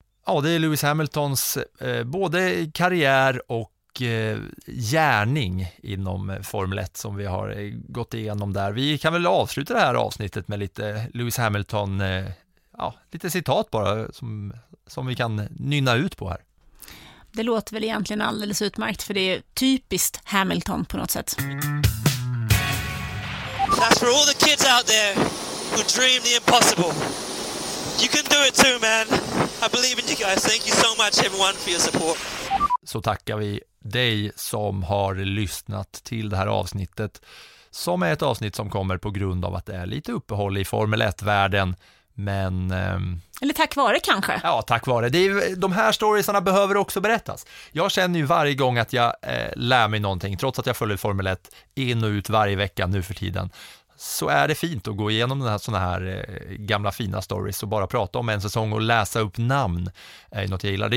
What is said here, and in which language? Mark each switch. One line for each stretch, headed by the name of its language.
Swedish: Ja, det är Lewis Hamiltons både karriär och gärning inom Formel 1 som vi har gått igenom där. Vi kan väl avsluta det här avsnittet med lite Lewis Hamilton, lite citat bara som vi kan nynna ut på här. Det låter väl egentligen alldeles utmärkt, för det är typiskt Hamilton på något sätt.
English: That's for all the kids out there who dream the impossible. You can do it too, man. I believe in you guys. Thank you so much everyone for your support.
Swedish: Så tackar vi dig som har lyssnat till det här avsnittet, som är ett avsnitt som kommer på grund av att det är lite uppehåll i Formel 1-världen. Men, eller tack vare kanske. Ja, tack vare. De här storiesarna behöver också berättas. Jag känner ju varje gång att jag lär mig någonting, trots att jag följer Formel 1 in och ut varje vecka nu för tiden, så är det fint att gå igenom såna här gamla fina stories och bara prata om en säsong och läsa upp namn är något jag gillar.